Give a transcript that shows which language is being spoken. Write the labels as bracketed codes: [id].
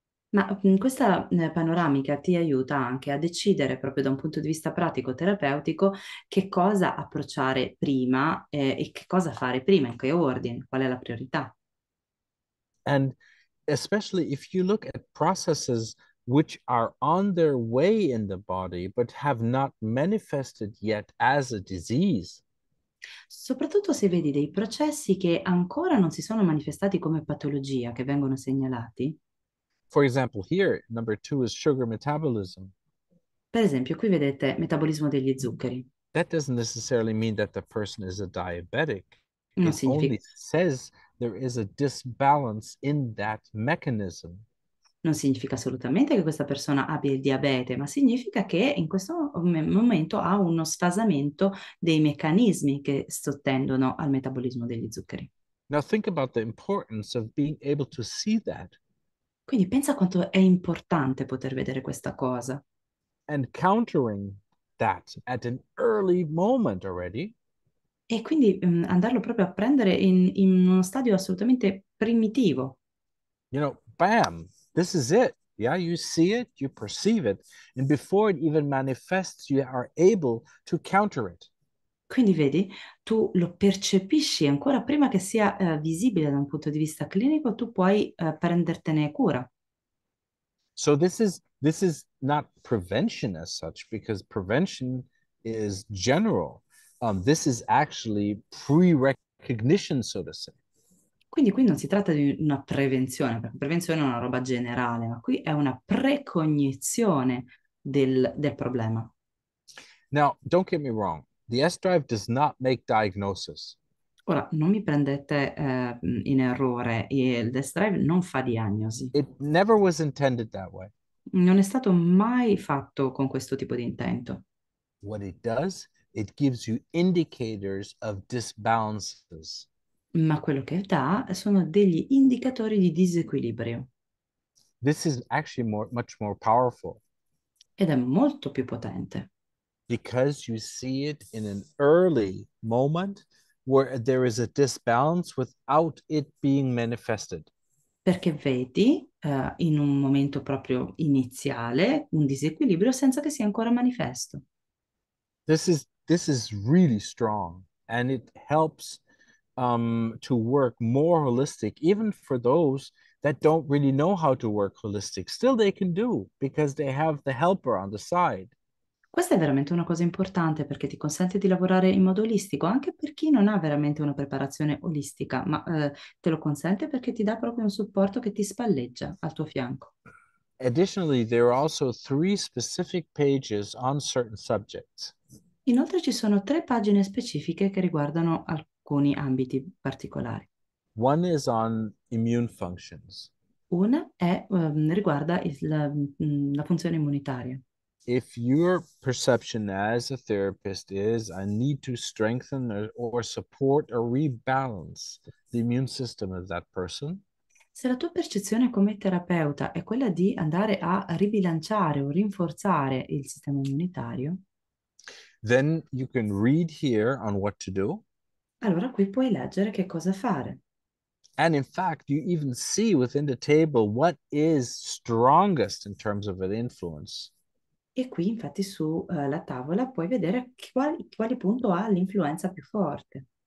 [it] Ma questa panoramica ti aiuta anche a decidere, proprio da un punto di vista pratico-terapeutico, che cosa approcciare prima e che cosa fare prima, in che ordine, qual è la priorità. [en] And especially if you look at processes which are on their way in the body but have not manifested yet as a disease. [it] Soprattutto se vedi dei processi che ancora non si sono manifestati come patologia, che vengono segnalati. [en] For example, here, number two is sugar metabolism. [it] Per esempio, qui vedete metabolismo degli zuccheri. [en] That doesn't necessarily mean that the person is a diabetic. [it] Non [en] It only [it] significa. [en] says there is a disbalance in that mechanism. [it] Non significa assolutamente che questa persona abbia il diabete, ma significa che in questo momento ha uno sfasamento dei meccanismi che sottendono al metabolismo degli zuccheri. [en] Now think about the importance of being able to see that. [it] Quindi pensa quanto è importante poter vedere questa cosa. [en] And countering that at an early moment already. [it] E quindi andarlo proprio a prendere in uno stadio assolutamente primitivo. [en] You know, bam, this is it. Yeah, you see it, you perceive it, and before it even manifests, you are able to counter it. [it] Quindi vedi, tu lo percepisci ancora prima che sia visibile da un punto di vista clinico, tu puoi prendertene cura. [en] So this is not prevention as such, because prevention is general. This is actually pre-recognition, so to say. [it] Quindi qui non si tratta di una prevenzione, perché prevenzione è una roba generale, ma qui è una precognizione del problema. [en] Now, don't get me wrong, the S-Drive does not make diagnosis. [it] Ora, non mi prendete in errore, il Sdrive non fa diagnosi. [en] It never was intended that way. [it] Non è stato mai fatto con questo tipo di intento. [en] What it does, it gives you indicators of disbalances. [it] Ma quello che dà sono degli indicatori di disequilibrio. [en] This is actually much more powerful. [it] Ed è molto più potente. [en] Because you see it in an early moment where there is a disbalance without it being manifested. [it] Perché vedi, in un momento proprio iniziale un disequilibrio senza che sia ancora manifesto. [en] This is really strong, and it helps to work more holistic, even for those that don't really know how to work holistic. Still, they can do because they have the helper on the side. [it] Questa è veramente una cosa importante perché ti consente di lavorare in modo olistico anche per chi non ha veramente una preparazione olistica, ma te lo consente perché ti dà proprio un supporto che ti spalleggia al tuo fianco. [en] Additionally, there are also three specific pages on certain subjects. [it] Inoltre ci sono tre pagine specifiche che riguardano alcuni ambiti particolari. [en] One is on immune functions. [it] Una riguarda la funzione immunitaria. [en] if your perception as a therapist is I need to strengthen or support or rebalance the immune system of that person. [it] Se la tua percezione come terapeuta è quella di andare a ribilanciare o rinforzare il sistema immunitario, [en] then you can read here on what to do. [it] Allora qui puoi leggere che cosa fare. [en] And in fact, you even see within the table what is strongest in terms of an influence. [it] E qui infatti su la tavola puoi vedere quale punto ha l'influenza più forte.